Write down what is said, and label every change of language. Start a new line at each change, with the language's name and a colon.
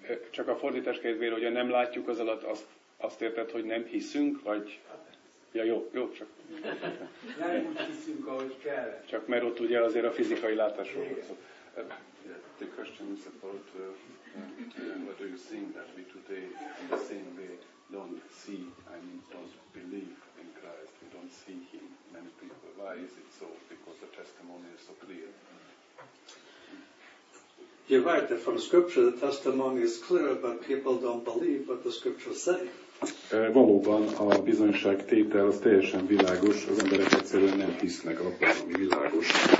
Hungarian: csak a fordítás kedvére, hogy nem látjuk az alatt, azt érted, hogy nem hiszünk, vagy... Ja, jó, csak... Nem úgy hiszünk, ahogy kell. Csak mert ott ugye azért a fizikai látásról van szó.
English: The question is about whether you think that we today, in the same way, don't see, I mean, don't believe in Christ, we don't see him, many people. Why is it so? Because the testimony is so clear. You're right, that from scripture the testimony is clear, but people don't believe what the scriptures say.
Hungarian: Valóban a bizonyság tétel az teljesen világos, az emberek egyszerűen nem hisznek abban, ami világos.